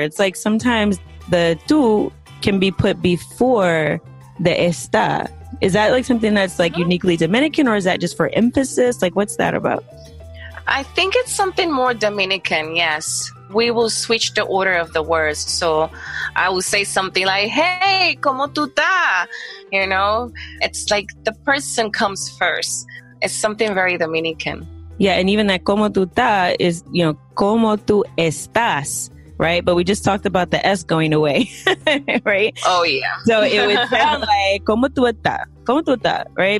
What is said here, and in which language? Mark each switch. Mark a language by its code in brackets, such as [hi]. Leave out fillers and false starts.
[en] It's like sometimes the tú can be put before the está. Is that like something that's like uniquely Dominican, or is that just for emphasis? Like what's that about? I think it's something more Dominican, yes. We will switch the order of the words. So I will say something like, hey, [es] ¿cómo tú estás? [en] You know, it's like the person comes first. It's something very Dominican. Yeah, and even that [es] ¿cómo tú estás? [en] Is, you know, ¿cómo tú estás? Right? But we just talked about the S going away, right? Oh, yeah. So it would sound like [es] ¿cómo tú estás? ¿Cómo tú estás? [en] Right?